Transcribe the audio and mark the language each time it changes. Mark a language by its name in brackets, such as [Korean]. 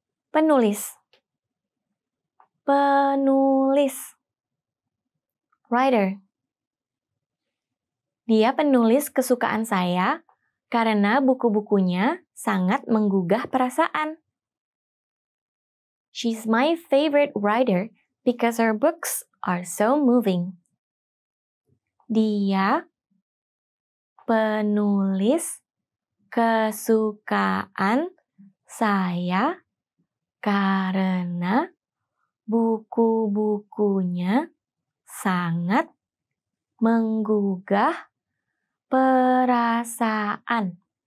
[Indonesian] Penulis. Penulis. [English] Writer. [Indonesian] Dia penulis kesukaan saya karena buku-bukunya sangat menggugah perasaan. [English] She's my favorite writer because her books are so moving. [Indonesian] Dia penulis kesukaan saya karena buku-bukunya sangat menggugah perasaan.